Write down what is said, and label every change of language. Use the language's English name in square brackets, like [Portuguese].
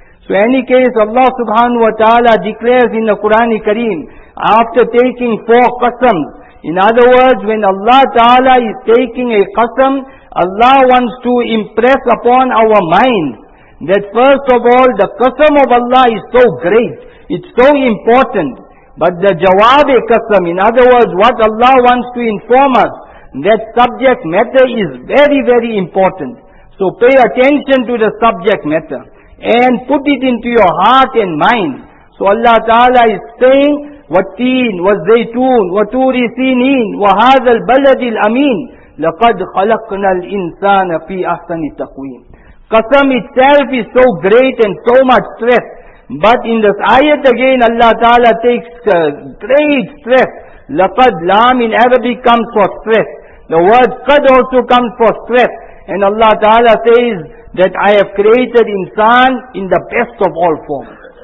[English] So in any case, Allah subhanahu wa ta'ala declares in the Quran-i-Kareem, after taking 4 qasams, in other words, when Allah ta'ala is taking a qasam, Allah wants to impress upon our mind that first of all, the qasam of Allah is so great, it's so important. But the jawab-e qasam, in other words, what Allah wants to inform us, that subject matter is very, very important. So pay attention to the subject matter and put it into your heart and mind. So Allah ta'ala is saying, [Arabic] وَالتِّين وَالزَّيْتُون وَتُورِ سِينِين وَهَذَا الْبَلَدِ الْأَمِينِ لَقَدْ خَلَقْنَا الْإِنسَانَ فِي أَحْسَنِ تَقْوِيمِ. [English] Qasam itself is so great and so much stress. But in this ayat again, Allah Ta'ala takes great stress. لَقَدْ لَام in Arabic comes for stress. The word قَد also comes for stress. And Allah Ta'ala says that I have created insan in the best of all forms.